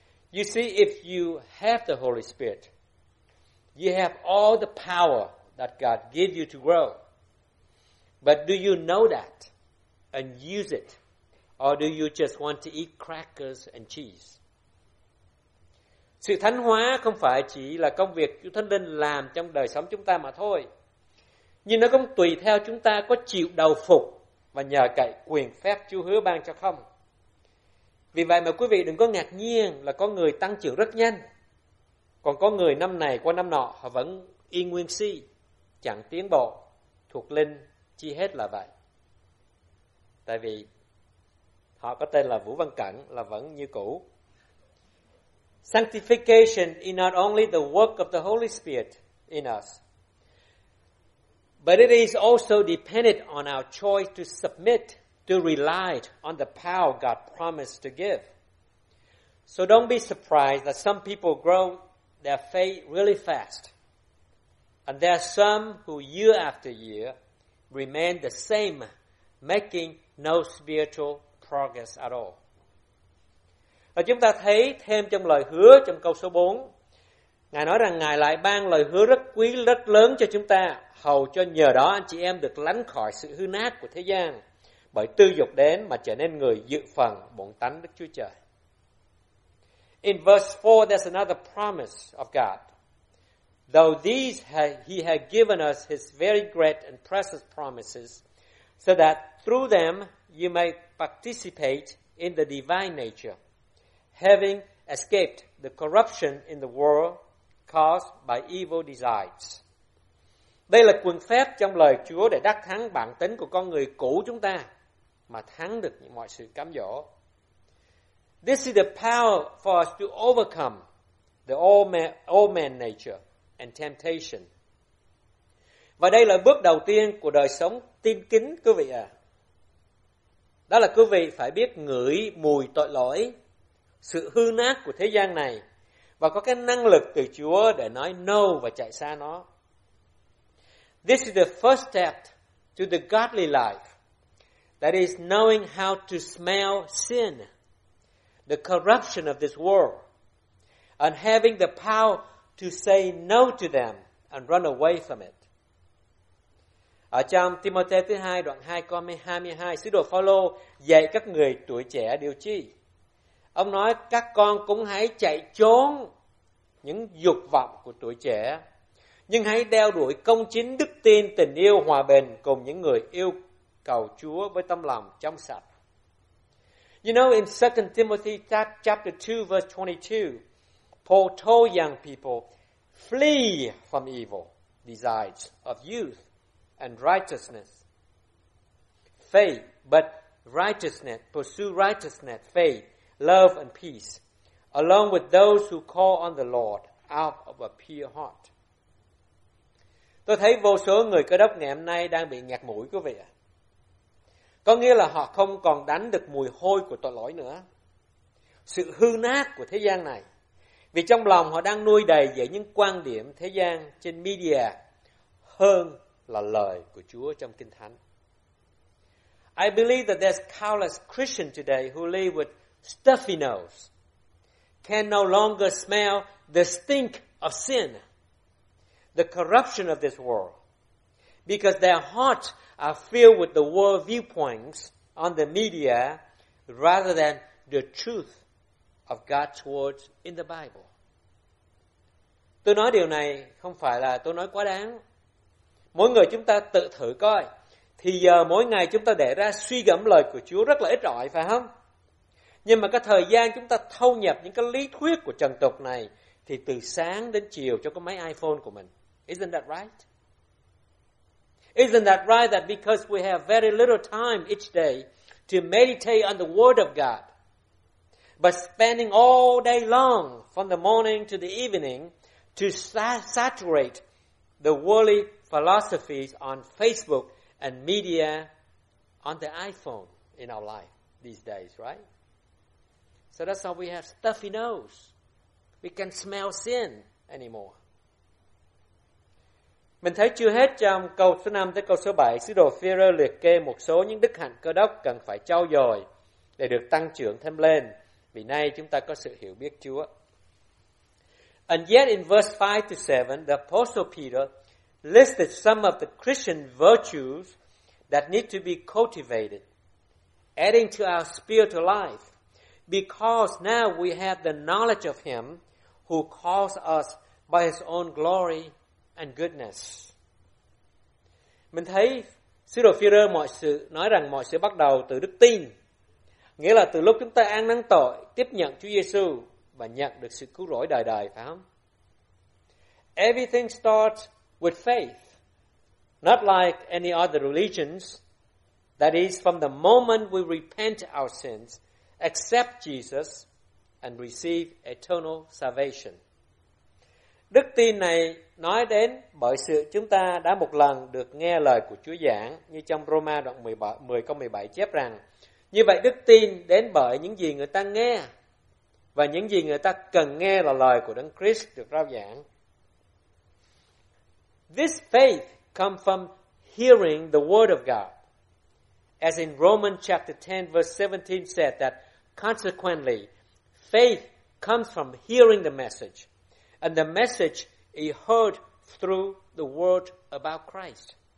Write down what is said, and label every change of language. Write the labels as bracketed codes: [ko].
[en] You see, if you have the Holy Spirit, you have all the power that God gave you to grow. But do you know that and use it? Or do you just want to eat crackers and cheese?" [vi] Sự thánh hóa không phải chỉ là công việc Chúa Thánh Linh làm trong đời sống chúng ta mà thôi. Nhưng nó cũng tùy theo chúng ta có chịu đầu phục và nhờ cậy quyền phép Chúa hứa ban cho không. Vì vậy mà quý vị đừng có ngạc nhiên là có người tăng trưởng rất nhanh. Còn có người năm này qua năm nọ họ vẫn y nguyên si, chẳng tiến bộ, thuộc linh chi hết là vậy. Tại vì họ có tên là Vũ Văn Cẩn là vẫn như cũ. [en] Sanctification is not only the work of the Holy Spirit in us, but it is also dependent on our choice to submit, to rely on the power God promised to give. So don't be surprised that some people grow their faith really fast. And there are some who year after year remain the same, making no spiritual progress at all. [vi] Và chúng ta thấy thêm trong lời hứa trong câu số 4. Ngài nói rằng Ngài lại ban lời hứa rất quý, rất lớn cho chúng ta, hầu cho nhờ đó anh chị em được lánh khỏi sự hư nát của thế gian, bởi tư dục đến mà trở nên người dự phần bổn tánh Đức Chúa Trời. [en] In verse 4, there's another promise of God. Though these he had given us his very great and precious promises, so that through them you may participate in the divine nature, having escaped the corruption in the world caused by evil desires. [vi] Đây là quyền phép trong lời Chúa để đắc thắng bản tính của con người cũ chúng ta mà thắng được mọi sự cám dỗ. [en] This is the power for us to overcome the old man nature and temptation. [vi] Và đây là bước đầu tiên của đời sống tin kính, quý vị à. Đó là quý vị phải biết ngửi mùi tội lỗi, sự hư nát của thế gian này và có cái năng lực từ Chúa để nói [en] no [vi] và chạy xa nó. [en] This is the first step to the godly life. That is knowing how to smell sin, the corruption of this world, and having the power to say no to them and run away from it. [vi] Ở trong Timothée thứ 2 đoạn 2 câu 22, sứ đồ Phaolô dạy các người tuổi trẻ điều chi? Ông nói các con cũng hãy chạy trốn những dục vọng của tuổi trẻ, nhưng hãy đeo đuổi công chính, đức tin, tình yêu, hòa bình cùng những người yêu cầu Chúa với tâm lòng trong sạch. [en] You know, in 2 Timothy chapter 2, verse 22, Paul told young people, flee from evil desires of youth and righteousness, faith, but righteousness, pursue righteousness, faith, love, and peace, along with those who call on the Lord out of a pure heart. [vi] Tôi thấy vô số người Cơ Đốc ngày hôm nay đang bị nghẹt mũi, quý vị ạ. Có nghĩa là họ không còn đánh được mùi hôi của tội lỗi nữa, sự hư nát của thế gian này, vì trong lòng họ đang nuôi đầy dậy những quan điểm thế gian trên media hơn là lời của Chúa trong Kinh Thánh. [en] I believe that there's countless Christians today who live with stuffy nose, can no longer smell the stink of sin, the corruption of this world, because their hearts are filled with the world viewpoints on the media rather than the truth of God's words in the Bible. [vi] Tôi nói điều này không phải là tôi nói quá đáng. Mỗi người chúng ta tự thử coi, thì giờ mỗi ngày chúng ta để ra suy gẫm lời của Chúa rất là ít ỏi, phải không? Nhưng mà cái thời gian chúng ta thâu nhập những cái lý thuyết của trần tục này thì từ sáng đến chiều cho cái máy iPhone của mình. [en] Isn't that right? Isn't that right that because we have very little time each day to meditate on the Word of God, but spending all day long from the morning to the evening to saturate the worldly philosophies on Facebook and media on the iPhone in our life these days, right? So that's how we have stuffy nose. We can't smell sin anymore. [vi] Mình thấy chưa hết trong câu số 5 tới câu số 7, sứ đồ Phêrô liệt kê một số những đức hạnh Cơ Đốc cần phải trau dồi để được tăng trưởng thêm lên, vì nay chúng ta có sự hiểu biết Chúa. [en] And yet in verse 5 to 7, the Apostle Peter listed some of the Christian virtues that need to be cultivated, adding to our spiritual life, because now we have the knowledge of Him who calls us by His own glory and goodness. [vi] Mình thấy sứ đồ Phêrô mọi sự nói rằng mọi sự bắt đầu từ đức tin, nghĩa là từ lúc chúng ta ăn năn tội, tiếp nhận Chúa Giêsu và nhận được sự cứu rỗi đời đời, phải không? [en] Everything starts with faith, not like any other religions. That is, from the moment we repent our sins, accept Jesus, and receive eternal salvation. [vi] Đức tin này nói đến bởi sự chúng ta đã một lần được nghe lời của Chúa giảng, như trong Roma đoạn 10 câu 17 chép rằng, như vậy đức tin đến bởi những gì người ta nghe, và những gì người ta cần nghe là lời của Đấng Christ được rao giảng. [en] This faith comes from hearing the word of God. As in Romans chapter 10 verse 17 said that consequently, faith comes from hearing the message, and the message is heard through the word about Christ.